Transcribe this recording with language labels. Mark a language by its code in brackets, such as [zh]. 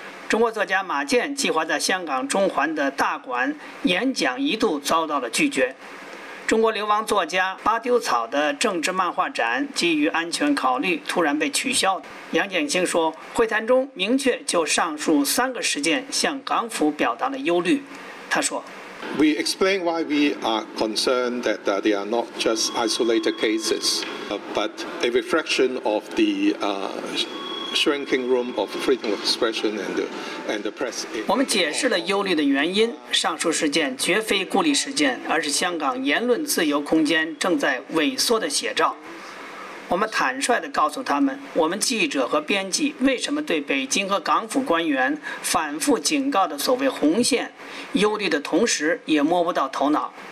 [zh] 中国作家马健计划在香港中环的大馆演讲一度遭到了拒绝，中国流亡作家巴丢草的政治漫画展基于安全考虑突然被取消。杨建兴说，会谈中明确就上述三个事件向港府表达了忧虑。他说， [en] We explain why we are concerned that they are not just isolated cases, but a reflection of the shrinking room of freedom of expression and the press. [zh] 我们解释了忧虑的原因，上述事件绝非孤立事件，而是香港言论自由空间正在萎缩的写照。我们坦率地告诉他们，我们记者和编辑为什么对北京和港府官员反复警告的所谓红线忧虑的同时也摸不到头脑。